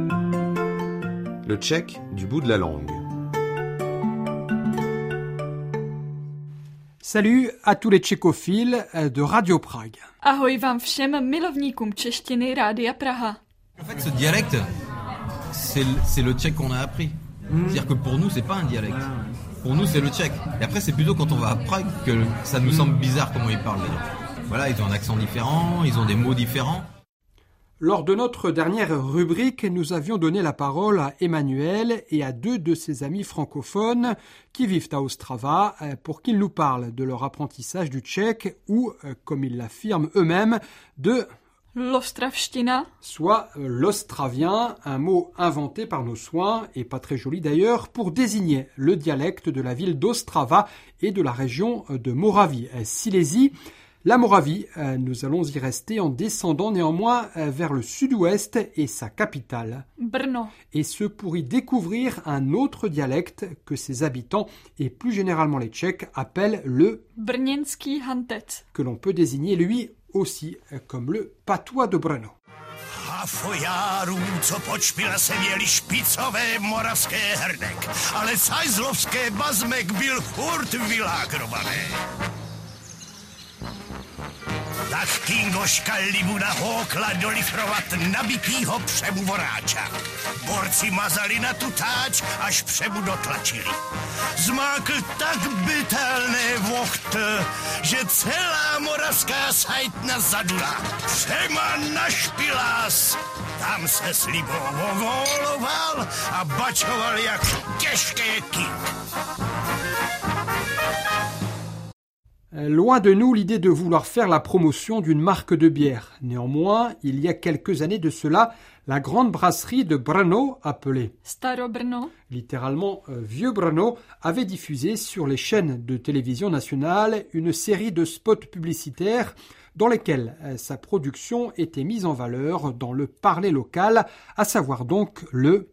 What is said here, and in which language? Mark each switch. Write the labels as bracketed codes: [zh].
[fr] Le tchèque du bout de la langue. Salut à tous les tchécophiles de Radio Prague. [cs] Ahoj vám všem milovníkům češtiny Rádia Praha. [fr] En fait, ce dialecte, c'est le tchèque qu'on a appris. C'est-à-dire que pour nous, c'est pas un dialecte. Pour nous, c'est le tchèque. Et après, c'est plutôt quand on va à Prague que ça nous semble bizarre comment ils parlent. Voilà, ils ont un accent différent, ils ont des mots différents. Lors de notre dernière rubrique, nous avions donné la parole à Emmanuel et à deux de ses amis francophones qui vivent à Ostrava pour qu'ils nous parlent de leur apprentissage du tchèque ou, comme ils l'affirment eux-mêmes, de [cs] l'ostravština, [fr] soit l'ostravien, un mot inventé par nos soins, et pas très joli d'ailleurs, pour désigner le dialecte de la ville d'Ostrava et de la région de Moravie-Silésie. La Moravie, nous allons y rester en descendant néanmoins vers le sud-ouest et sa capitale, Brno. Et ce pour y découvrir un autre dialecte que ses habitants, et plus généralement les Tchèques, appellent le [cs] Brněnský hantec, [fr] que l'on peut désigner lui aussi comme le patois de Brno. [cs] A fojárů, co počpila se měli špicové moravské hrnek, ale sajzlovské bazmek byl furt vylágrovaný. Tak Kingoška libu nahokla dolifrovat nabitýho přemu voráča. Borci mazali na tutáč, až přemu dotlačili. Zmákl tak bytelné vocht, že celá moravská sajtna zadula. Přema na špilás, tam se s libou ovoloval a bačoval jak těžké kink. [fr] Loin de nous l'idée de vouloir faire la promotion d'une marque de bière. Néanmoins, il y a quelques années de cela, la grande brasserie de Brno, appelée [cs] Staro Brno, [fr] littéralement Vieux Brno, avait diffusé sur les chaînes de télévision nationale une série de spots publicitaires dans lesquels sa production était mise en valeur dans le parler local, à savoir donc le